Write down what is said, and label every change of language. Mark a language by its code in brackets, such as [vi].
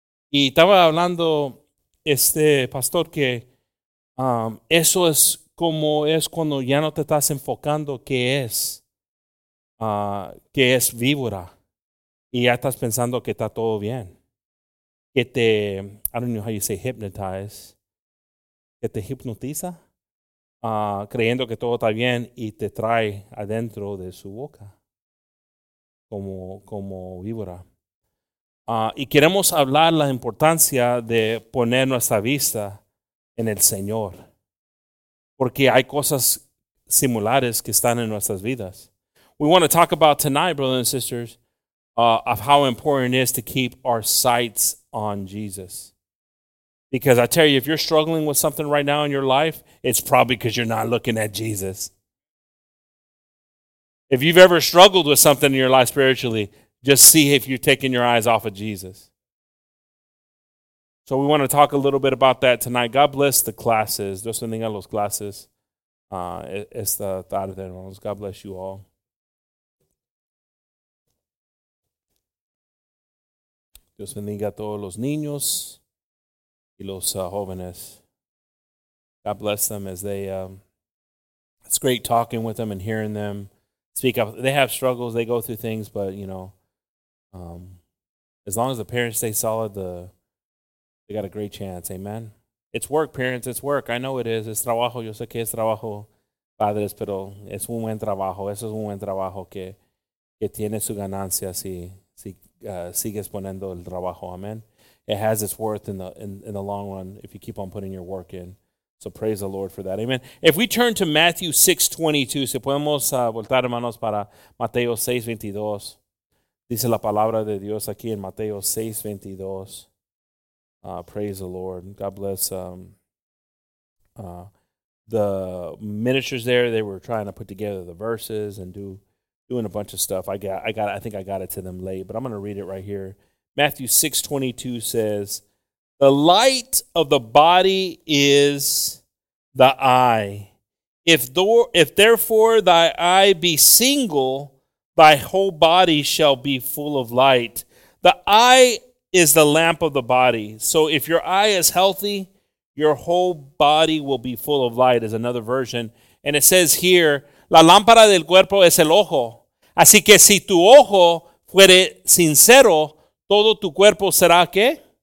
[es] Y estaba hablando este pastor que eso es como es cuando ya no te estás enfocando qué es víbora. Y ya estás pensando que está todo bien. Que te, [en] I don't know how you say hypnotize. [es] Que te hipnotiza. Creyendo que todo está bien y te trae adentro de su boca. Como víbora. Y queremos hablar la importancia de poner nuestra vista en el Señor. Porque hay cosas similares que están en nuestras vidas. [en] We want to talk about tonight, brothers and sisters, of how important it is to keep our sights on Jesus. Because I tell you, if you're struggling with something right now in your life, it's probably because you're not looking at Jesus. If you've ever struggled with something in your life spiritually, just see if you're taking your eyes off of Jesus. So we want to talk a little bit about that tonight. God bless the classes. [es] Dios bendiga los clases. Esta tarde, hermanos. [en] God bless you all. [es] Dios bendiga a todos los niños y los jóvenes. [en] God bless them as they, it's great talking with them and hearing them speak up. They have struggles. They go through things, but, you know, as long as the parents stay solid, they got a great chance. Amen. It's work, parents. It's work. I know it is. [es] Es trabajo. Yo sé que es trabajo, padres, pero es un buen trabajo. Eso es un buen trabajo que tiene su ganancia sigues poniendo el trabajo. Amen. [en] It has its worth in the long run if you keep on putting your work in. So praise the Lord for that. Amen. If we turn to Matthew 6:22, [es] si podemos voltar, hermanos, para Mateo 6:22. Dice la palabra de Dios aquí en Mateo 6:22. [en] Praise the Lord. God bless the ministers there. They were trying to put together the verses and doing a bunch of stuff. I think I got it to them late, but I'm going to read it right here. Matthew 6:22 says, "The light of the body is the eye. If therefore thy eye be single, thy whole body shall be full of light. The eye is the lamp of the body. So if your eye is healthy, your whole body will be full of light," is another version. [es] And it says here, "La lámpara del cuerpo es el ojo. Así que si tu ojo fuere sincero, todo tu cuerpo será ¿qué?